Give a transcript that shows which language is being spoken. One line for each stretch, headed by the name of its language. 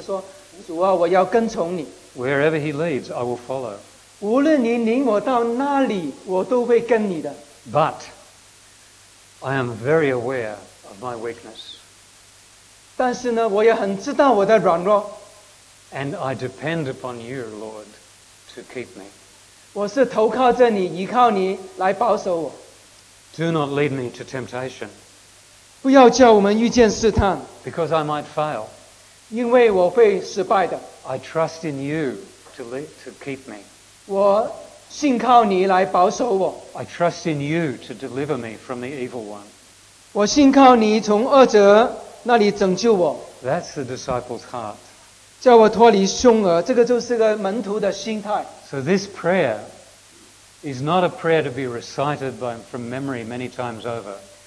Chinese: 所以这个就是个门徒的心里的第一个新的光景，就是说，主啊，我要跟从你。
English: Wherever he leads, I will follow.
Chinese: 无论你领我到哪里，我都会跟你的。
English: But I am very aware of my weakness.
Chinese: 但是呢，我也很知道我的软弱。
English: And I depend upon you, Lord, to keep me.
Chinese: 我是投靠着你，依靠你来保守我。
English: Do not lead me to temptation.
Chinese: 不要叫我们遇见试探。
English: Because I might fail.
Chinese: 因为我会失败的。
English: I trust in you to keep me.
Chinese: 我信靠你来保守我。
English: I trust in you to deliver me from the evil one.
Chinese: 我信靠你从恶者那里拯救我。
English: That's the disciple's heart.
Chinese: 叫我脱离凶恶，这个就是个门徒的心态。
English: So this prayer is not a prayer to be recited by from memory many times over.